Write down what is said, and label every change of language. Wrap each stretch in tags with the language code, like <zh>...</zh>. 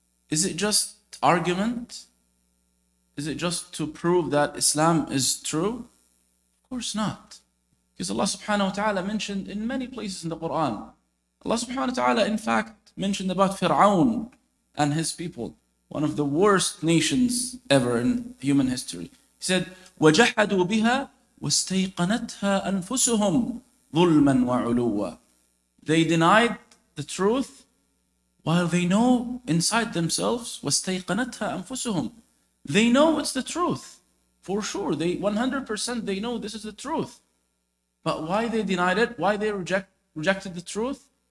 <en>Is it just argument? Is it just to prove that Islam is true? Of course not. Because Allah subhanahu wa ta'ala mentioned in many places in the Quran. Allah subhanahu wa ta'ala, in fact, mentioned about Fir'aun and his people, one of the worst nations ever in human history. He said,</en> <ar>وَجَحَدُوا بِهَا وَاسْتَيْقَنَتْهَا أَنفُسُهُمْ ظُلْمًا وَعُلُوَّا.</ar> <en>They denied the truth while they know inside themselves,</en> <ar>وَاسْتَيْقَنَتْهَا أَنفُسُهُمْ.</ar> <en>They know it's the truth, for sure. They 100% they know this is the truth. But why they denied it? Why they rejected the truth?</en>